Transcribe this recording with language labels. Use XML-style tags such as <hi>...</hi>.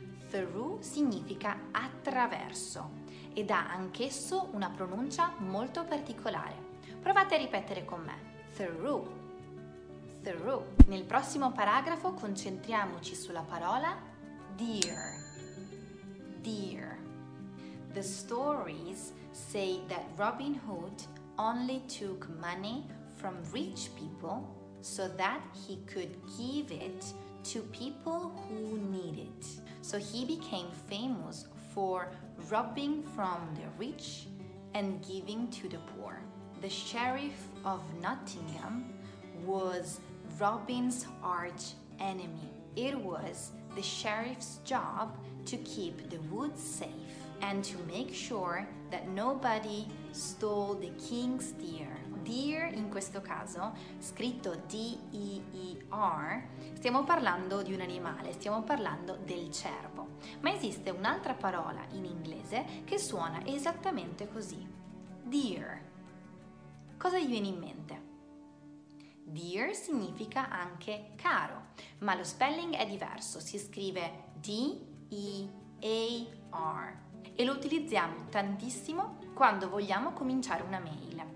<it>Through significa attraverso ed ha anch'esso una pronuncia molto particolare. Provate a ripetere con me. Through. Through. Nel prossimo paragrafo concentriamoci sulla parola dear. Dear.</it> <en>The stories say that Robin Hood only took money from rich people so that he could give it to people who need it. So he became famous for robbing from the rich and giving to the poor. The sheriff of Nottingham was Robin's arch enemy. It was the sheriff's job to keep the woods safe and to make sure that nobody stole the king's deer.</en> <it>Deer, in questo caso, scritto D-E-E-R, stiamo parlando di un animale, stiamo parlando del cervo. Ma esiste un'altra parola in inglese che suona esattamente così. Deer. Cosa gli viene in mente? Dear significa anche caro, ma lo spelling è diverso, si scrive D-E-A-R e lo utilizziamo tantissimo quando vogliamo cominciare una mail.</it>